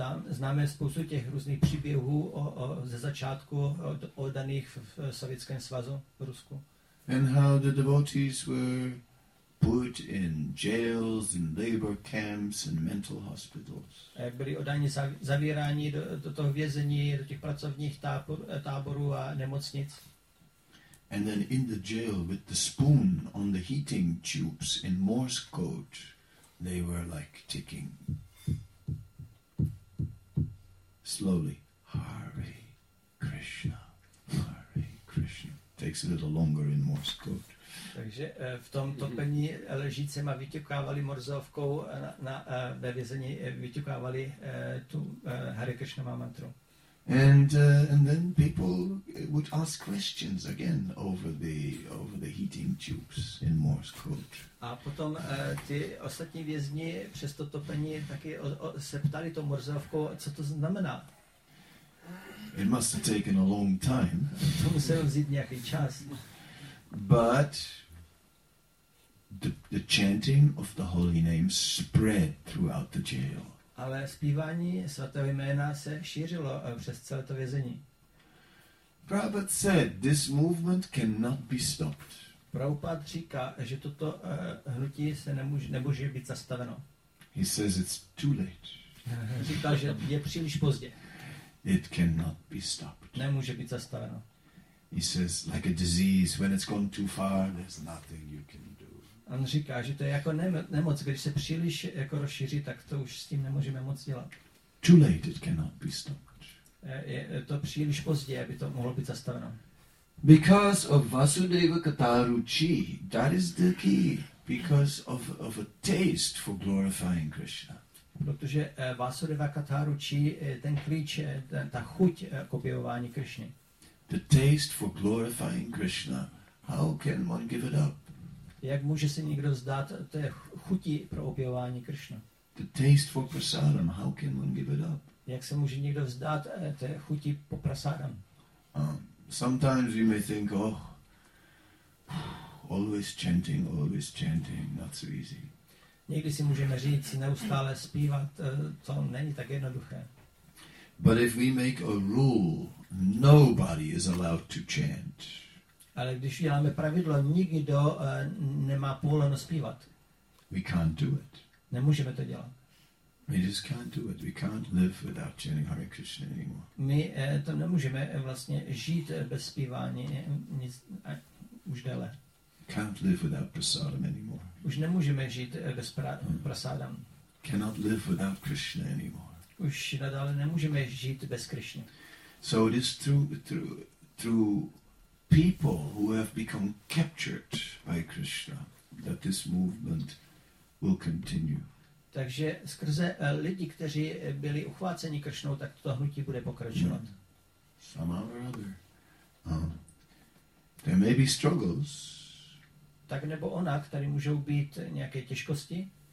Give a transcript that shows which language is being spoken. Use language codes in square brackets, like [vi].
[cs] Známe spoustu těch různých příběhů ze začátku oddaných v Sovětském svazu v Rusku. [en] And how the devotees were put in jails and labor camps and mental hospitals. [cs] Jak byli oddáni zavírání do toho vězení, do těch pracovních táborů a nemocnic. [en] And then in the jail with the spoon on the heating tubes in Morse code, they were like ticking. Slowly, Hare Krishna, Hare Krishna. Takes a little longer in Morse code. [cs] Takže v tom topení ležícíma vyťukávali morzovkou ve vězení vyťukávali tu Hare Krishna mantru. [en] And then people would ask questions again over the heating tubes in Morse code. [cs] A potom ty ostatní vězni přes to topení taky se ptali tou morzovkou, co to znamená. [en] It must have taken a long time. [cs] To muselo vzít nějaký čas. [en] But the chanting of the holy name spread throughout the jail. [cs] Ale zpívání svatého jména se šířilo přes celé to vězení. [en] Prabhupada said this movement cannot be stopped. [cs] Prabhupada říká, že toto hnutí se nemůže být zastaveno. [en] He says it's too late. [cs] Říká, že je příliš pozdě. [en] It cannot be stopped. [cs] Nemůže být zastaveno. [en] He says, like a disease, when it's gone too far, there's nothing you can do. [cs] On říká, že to je jako nemoc, když se příliš jako rozšíří, tak to už s tím nemůžeme moc dělat. [en] Too late, it cannot be stopped. [cs] Je to příliš pozdě, aby to mohlo být zastaveno. [en] Because of Vasudeva Kataruchi, that is the key. Because of a taste for glorifying Krishna. [cs] Protože Vasudeva Kataruchi, ten klíč, ta chuť k objevování Krishny. [en] The taste for glorifying Krishna. How can one give it up? [cs] Jak může se někdo vzdát té chuti pro objevování Krishna? [en] The taste for prasadam. How can one give it up? [cs] Jak se může někdo vzdát té chuti po prasadam? [en] Sometimes we may think, oh, always chanting, not so easy. [cs] Někdy si můžeme říct, neustále zpívat, to není tak jednoduché. [en] But if we make a rule, nobody is allowed to chant. [cs] Ale když uděláme pravidlo, nikdo nemá povoleno zpívat. [en] We can't do it. [cs] Nemůžeme to dělat. [en] We just can't do it. We can't live without chanting Hare Krishna anymore. [cs] My to nemůžeme vlastně žít bez zpívání nic, už déle. [en] Can't live without prasadam anymore. [cs] Už nemůžeme žít bez prasadam. [en] Cannot live without Krishna anymore. [cs] Už nadále nemůžeme žít bez Krishna. [en] So it is through people who have become captured by Krishna that this movement will continue. [cs] Takže skrze lidi, kteří byli uchváceni Krishnou, tak to hnutí bude pokračovat. [en] Somehow or other. There may be struggles. [cs] Tak nebo onak, tady můžou být nějaké těžkosti.